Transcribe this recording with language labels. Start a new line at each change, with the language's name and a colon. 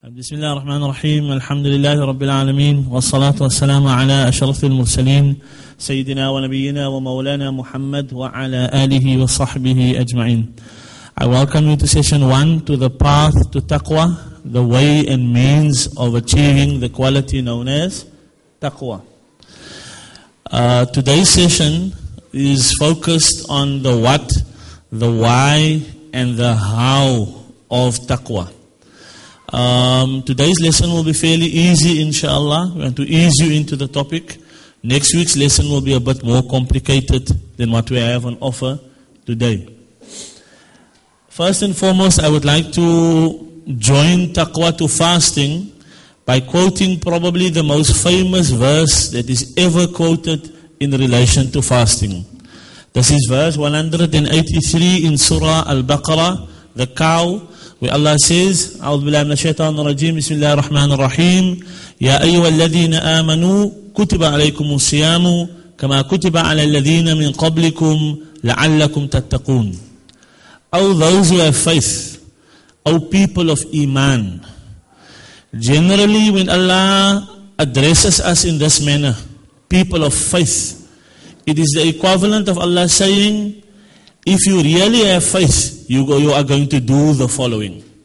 Arabic: بسم الله الرحمن الرحيم الحمد لله رب العالمين والصلاة والسلام على أشرف المرسلين سيدنا ونبينا ومولانا محمد وعلى آله وصحبه أجمعين.
English: I welcome you to session 1, to the path to taqwa, the way and means of achieving the quality known as taqwa. Today's session is focused on the what, the why, and the how of taqwa. Today's lesson will be fairly easy, inshallah. We want to ease you into the topic. Next week's lesson will be a bit more complicated than what we have on offer today. First and foremost, I would like to join taqwa to fasting by quoting probably the most famous verse that is ever quoted in relation to fasting. This is verse 183 in Surah Al-Baqarah, the cow, where Allah says,
Arabic: أعوذ بالله من الشيطان الرجيم بسم الله الرحمن الرحيم يا أيها الذين آمنوا كتب عليكم الصيام كما كتب على الذين من قبلكم لعلكم تتقون.
English: O those who have faith, O people of Iman. Generally, when Allah addresses us in this manner, people of faith, it is the equivalent of Allah saying, if you really have faith, you are going to do the following.